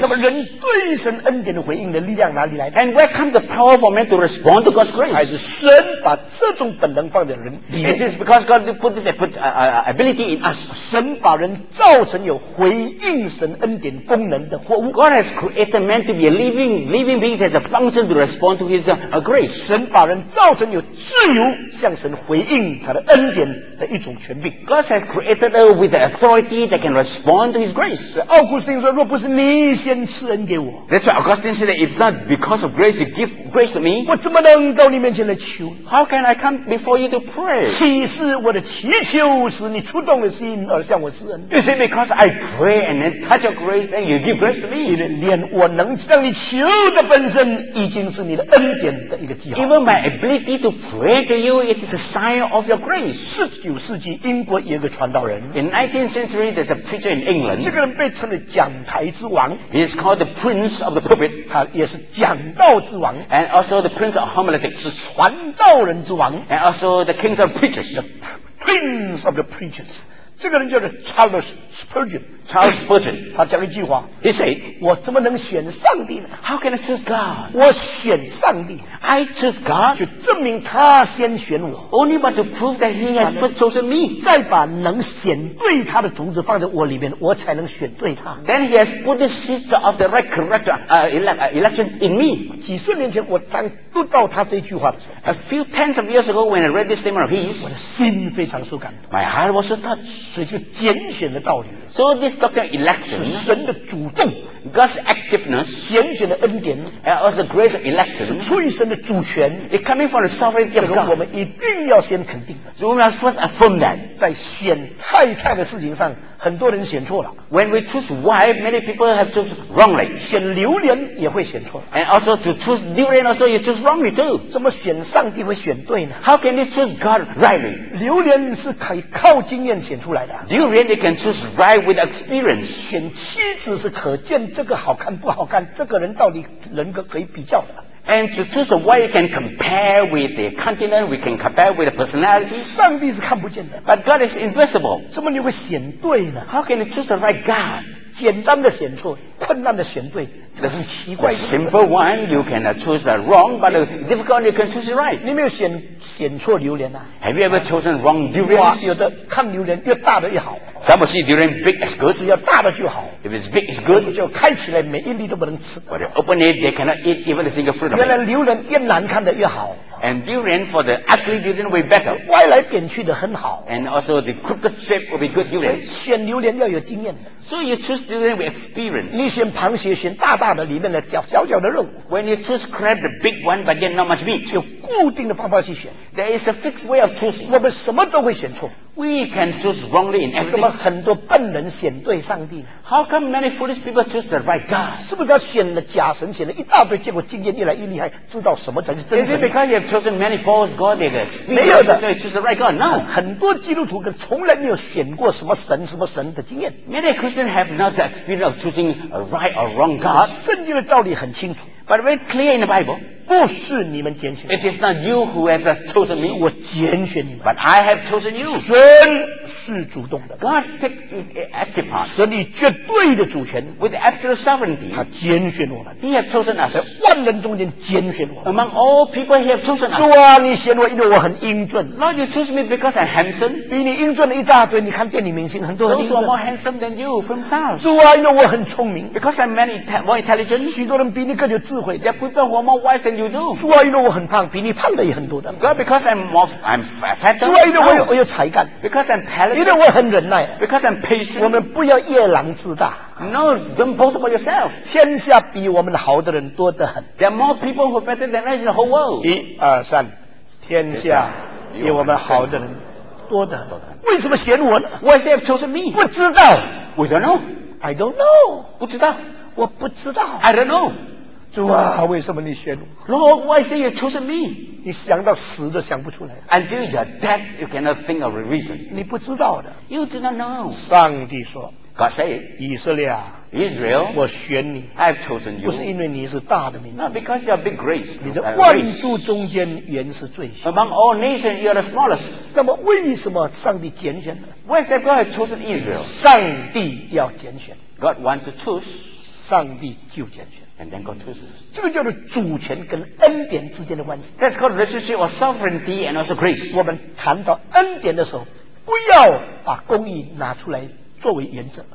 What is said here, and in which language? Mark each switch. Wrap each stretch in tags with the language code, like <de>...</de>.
<zh>那么人对神恩典的回应的力量哪里来的？</zh> <en>And where comes the power for man to respond to God's grace?</en> <zh>还是神把这种本能放在人里面。</zh> <en>It is because God put this ability in us.</en> <zh>神把人造成有回应神恩典功能的活物。</zh> <en>God has created man to be a living being that has a function to respond to his grace.</en> <zh>神把人造成有自由向神回应他的恩典的一种权柄。</zh> <en>God has created us with the authority that can respond to His grace. Augustine said,</en> <zh>若不是你先赐恩给我，</zh> <en>That's why Augustine said, if not because of grace, you give grace to me,</en> <zh>我怎么能到你面前来求？</zh> <en>How can I come before you to pray?</en> <zh>岂是我的祈求使你触动了心而向我赐恩？</zh> <en>Is it because I pray and then touch your grace and you give grace to me?</en> <zh>因为连我能向你求的本身已经是你的恩典的一个记号。</zh> <en>Even my ability to pray to you, it is a sign of your grace.</en> <zh>19世纪英国一个传道人，</zh> <en>in 19th century there's a preacher in England.</en> <zh>这个人被称为讲台之王，</zh> <en>he is called the prince of the pulpit.</en> <zh>他也是讲道之王，</zh> <en>and also the prince of homiletics.</en> <zh>是传道人之王，</zh> <en>and also the king of preachers. The prince of the preachers.</en> <zh>这个人叫做</zh> <en>Charles Spurgeon. Charles Spurgeon.</en> <zh>他讲一句话，</zh> <en>he said,</en> <zh>我怎么能选上帝呢？</zh> <en>How can I choose God?</en> <zh>我选上帝，</zh> <en>I choose God,</en> <zh>就证明他先选我，</zh> <en>only but to prove that he has first chosen me,</en> <zh>再把能选对他的种子放在我里面，我才能选对他。</zh> <en>Then he has put the seed of the right character, election in me.</en> <zh>几十年前我当读到他这句话的时候，</zh> <en>a few tens of years ago when I read this statement of his,</en> <zh>我的心非常受感动，</zh> <en>my heart was so touched.</en> <zh>所以就拣选的道理，</zh> <en>so this doctrine of election,</en> <zh>是神的主动，</zh> <en>God's activeness,</en> <zh>拣选的恩典，</zh> <en>and also grace of election,</en> <zh>是出于神的主权，</zh> <en>it coming from the sovereignty of God.</en> <zh>我们一定要先肯定的，</zh> <en>so we must first affirm that.</en> <zh>在选太太的事情上，很多人选错了。</zh> <en>When we choose wife, many people have chosen wrongly.</en> <zh>选榴莲也会选错了。</zh> <en>And also to choose durian also you choose wrongly too.</en> <zh>怎么选上帝会选对呢？</zh> <en>How can you choose God rightly?</en> <zh>榴莲是可以靠经验选出来的。</zh> <en>Durian you can choose right with experience.</en> <zh>选妻子是可见这个好看不好看，这个人到底人格可以比较的。</zh> <en>And to choose a wife, we can compare with the continent, we can compare with the personality.</en> <zh>上帝是看不见的。</zh> <en>But God is invisible.</en> <zh>怎么你会选对呢？</zh> <en>How can you choose the right God?</en> <zh>简单的选错，困难的选对，这是奇怪的。</zh> <en>The simple one, you can choose the wrong, but the difficult one, you can choose the right.</en> <zh>你没有选错榴莲啊？</zh> <en>Have you ever chosen wrong durian?</en> <zh>有的看榴莲越大的越好。</zh> <en>Some see durian big as good.</en> <zh>只要大的就好。</zh> <en>If it's big, it's good.</en> <zh>就开起来每一粒都不能吃。</zh> <en>But they open it, they cannot eat even a single fruit of it.</en> <zh>原来榴莲越难看的越好。</zh> <en>And durian for the ugly durian will be better.</en> <zh>歪来扁去的很好。</zh> <en>And also the crooked shape will be good durian.</en> <zh>选榴莲要有经验的。</zh> <en>So you choose durian with experience.</en> <zh>你选螃蟹选大大的里面的小小的肉。</zh> <en>When you choose crab the big one but yet not much meat.</en> <zh>有固定的方法去选。</zh> <en>There is a fixed way of choosing.</en> <zh>我们什么都会选错。</zh> <en>We can choose wrongly in everything.</en> <zh>为什么很多笨人选对上帝呢？</zh> <en>How come many foolish people choose the right God?</en> <zh>是不是他选了假神选了一大堆结果经验越来越厉害知道什么才是真神？</zh> <en>Is it because you chosen many false gods, they experience.</en> <zh>没有的，对，就是</zh> <en>right God. No,</en> <zh>很多基督徒跟从来没有选过什么神、什么神的经验。</zh> <en>Many Christians have not the experience of choosing a right or wrong God.</en> <zh>圣经的道理很清楚。</zh> <en>But very clear in the Bible.</en> <zh>不是你们拣选。</zh> <en>It is not you who have chosen me.</en> <zh>我拣选你们。</zh> <en>But I have chosen you.</en> <zh>神是主动的。</zh> <en>God take active part.</en> <zh>神以绝对的主权。</zh> <en>With absolute sovereignty.</en> <zh>他拣选我们。</zh> <en>He has chosen us.</en> <zh>在万人中间拣选我们。</zh> <en>Among all people, he has chosen us.</en> <zh>主啊，你选我，因为我很英俊。</zh> <en>Lord, you choose me because I'm handsome.</en> <zh>比你英俊的一大堆，你看电影明星很多很英俊。</zh> <en>Those who are more handsome than you from South.</en> <zh>主啊，因为我很聪明。</zh> <en>Because I'm many more intelligent.</en> <zh>许多人比你更有智慧。</zh> <en>There are people who are more wise than you.</en> <zh>主啊，因为我很胖，比你胖的也很多的。</zh> <en>God, because I'm fat.</en> <zh>主啊，因为我有才干。</zh> <en>Because I'm talented.</en> <zh>因为我很忍耐。</zh> <en>Because I'm patient.</en> <zh>我们不要夜郎自大。</zh> <en>No, don't boast about yourself.</en> <zh>天下比我们好的人多得很。</zh> <en>There are more people who are better than us in the whole world.</en> <zh>一二三，天下比我们好的人多得很。为什么选我呢</zh> <en>？Why have you chosen me?</en> <zh>不知道。</zh> <en>We don't know. I don't know.</en> <zh>不知道。我不知道。</zh> <en>I don't know.</en> <zh>主啊，为什么你选我</zh> <en>？Lord, why did you choose me?</en> <zh>你想到死都想不出来。</zh> <en>Until your death, you cannot think of a reason.</en> <zh>你不知道的。</zh> <en>You do not know.</en> <zh>上帝说</zh> <en>，God said,</en> <zh>以色列啊</zh> <en>，Israel,</en> <zh>我选你</zh> <en>，I've chosen you.</en> <zh>不是因为你是大的民族</zh> <en>，Not because you are big race.</en> <zh>你在万族中间原是最小。</zh> <en>Among all nations, you are the smallest.</en> <zh>那么为什么上帝拣选呢</zh> <en>？Why did God chosen Israel?</en> <zh>上帝要拣选。</zh> <en>God wants to choose.</en> <zh>上帝就拣选。</zh> <en>And then God chooses.</en> <zh>这个叫做主权跟恩典之间的关系。</zh> <en>That's called relationship of sovereignty and also grace.</en> <zh>我们谈到恩典的时候，不要把公义拿出来作为原则。</zh>